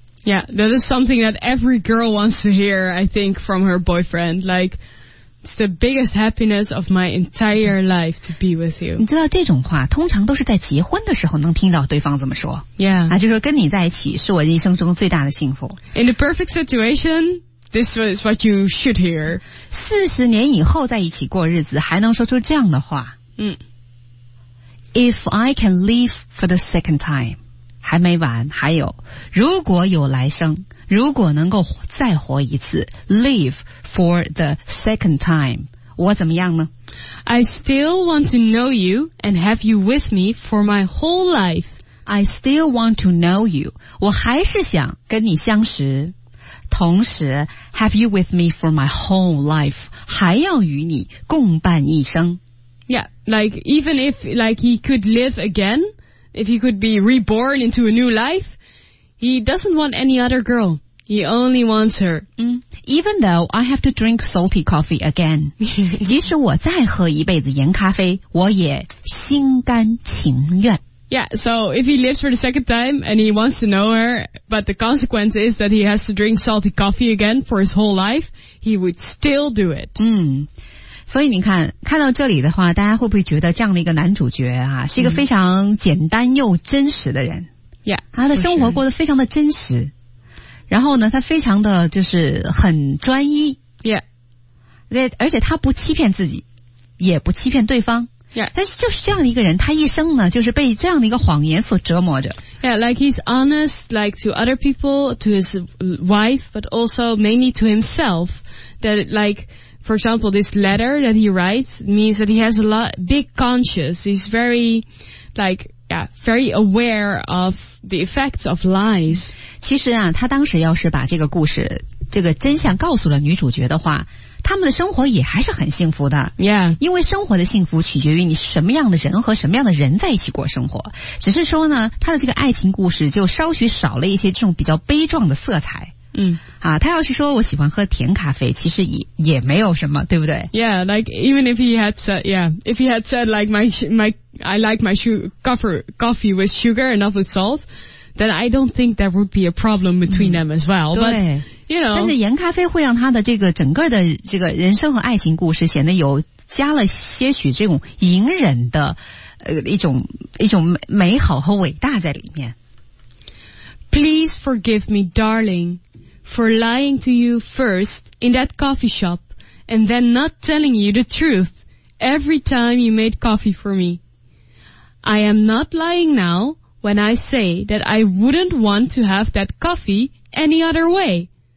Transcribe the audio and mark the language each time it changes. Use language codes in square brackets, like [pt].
[en] Yeah, that is something that every girl wants to hear, I think, from her boyfriend. Like, it's the biggest happiness of my entire life to be with you. [zh] 你知道这种话通常都是在结婚的时候能听到对方这么说。 [en] Yeah. [zh] 啊，就说跟你在一起是我人生中最大的幸福。 [en] In the perfect situation, this is what you should hear. [zh] 40年以后在一起过日子还能说出这样的话。嗯。 [en] If I can live for the second time, [zh] 还没完还有如果有来生如果能够再活一次 [en] ,live for the second time, [zh] 我怎么样呢 [en] ?I still want to know you and have you with me for my whole life.I still want to know you, [zh] 我还是想跟你相识同时 [en] ,have you with me for my whole life, [zh] 还要与你共伴一生。 [en] Yeah, like even if like he could live again, if he could be reborn into a new life,He doesn't want any other girl. He only wants her. Even though I have to drink salty coffee again. [zh] 即使我再喝一辈子盐咖啡，我也心甘情愿。 [en] Yeah, so if he lives for the second time and he wants to know her, but the consequence is that he has to drink salty coffee again for his whole life, he would still do it. [zh] 所以你看，看到这里的话，大家会不会觉得这样的一个男主角啊，是一个非常简单又真实的人？ [en] Yeah, [zh] 他的生活过得非常的真实。然后呢，他非常的就是很专一。 [en] Yeah. [zh] 而且他不欺骗自己，也不欺骗对方。 [en] Yeah. [zh] 但是就是这样的一个人，他一生呢，就是被这样的一个谎言所折磨着。 [en] Yeah, like he's honest, like to other people, to his wife, but also mainly to himself. That like, for example, this letter that he writes means that he has a lot, big conscience. He's very, like, yeah, very aware of the effects of lies. [zh] 其实啊，他当时要是把这个故事，这个真相告诉了女主角的话，他们的生活也还是很幸福的。 [en] Yeah. [zh] 因为生活的幸福取决于你什么样的人和什么样的人在一起过生活。只是说呢，他的这个爱情故事就稍许少了一些这种比较悲壮的色彩。嗯，啊，他要是说我喜欢喝甜咖啡，其实也没有什么，对不对 [en] ？Yeah, like even if he had said, yeah, if he had said like I like my coffee with sugar and not with salt, then I don't think there would be a problem between them as well. [zh] 对 [en] ，you know， [zh] 但是盐咖啡会让他的这个整个的这个人生和爱情故事显得有加了些许这种隐忍的一种美好和伟大在里面。 [en] Please forgive me, darling. For lying to you first in that coffee shop and then not telling you the truth every time you made coffee for me. I am not lying now when I say that I wouldn't want to have that coffee any other way.